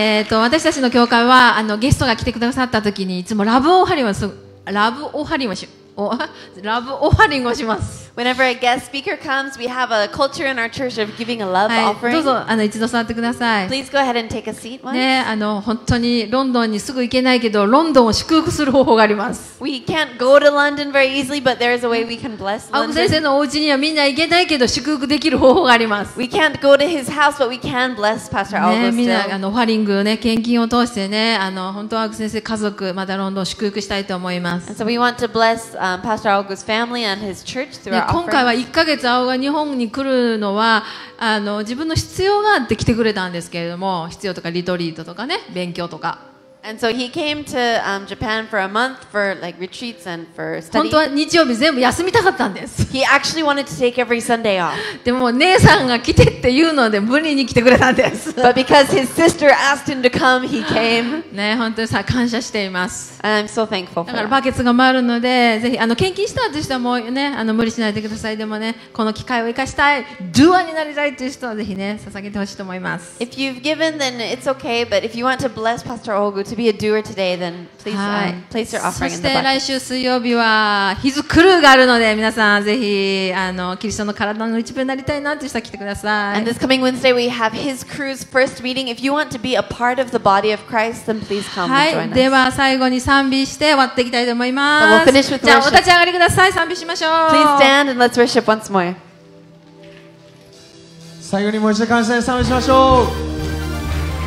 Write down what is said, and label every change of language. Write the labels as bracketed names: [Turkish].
[Japanese] 私たちの教会はゲストが来てくださった時にいつもラブオハリマス、ラブオハリマス。ラブオファリングをします。 [English] Whenever a guest speaker comes, we have a culture in our church of giving a love offering、 [Japanese] はい、どうぞ一度座ってください。 [English] Please go ahead and take a seat once、 [Japanese] ね、本当にロンドンにすぐ行けないけどロンドンを祝福する方法があります。 [English] We can't go to London very easily, but there is a way we can bless London. [Japanese] 先生のお家にはみんな行けないけど祝福できる方法があります。 [English] We can't go to his house, but we can bless Pastor Augusto、 [Japanese] ね、みんなオファリングを、ね、献金を通してね本当は先生家族またロンドンを祝福したいと思います。 [English] And so we want to blessPastor Aogu's family and his church through our offerings. [Japanese] 今回は1ヶ月Aogu が日本に来るのは自分の必要があって来てくれたんですけれども必要とかリトリートとかね勉強とか。 [English] And so he came to Japan for a month for like retreats and for study. [Japanese] 本当は日曜日全部休みたかったんです。 [English] He actually wanted to take every Sunday off. [Japanese] でも姉さんが来てって言うので無理に来てくれたんです。 [English] But because his sister asked him to come, he came. [Japanese] ね、本当にさ感謝しています。 [English] And I'm so thankful for that. [Japanese] だからバケツが回るのでぜひ献金した人はもうね無理しないでください。でもねこの機会を生かしたいドゥアになりたいという人はぜひね捧げてほしいと思います。 [English] If you've given, then it's okay. But if you want to bless Pastor Ogu to be a doer today, then please、はい、place your offering in the bucket. [Japanese] そして来週水曜日はヒズクルーがあるので皆さんぜひキリストの体の一部になりたいなという人は来てください。 [English] And this coming Wednesday we have His Crew's first meeting. If you want to be a part of the body of Christ, then please come、 [Japanese] はい、 [English] and join us. [Japanese] では最後に賛美して終わっていきたいと思います。 [English] We'll finish with worship. [Japanese] じゃあお立ち上がりください。賛美しましょう。 [English] Please stand and let's worship once more. [Japanese] 最後にもう一度感謝で賛美しましょう。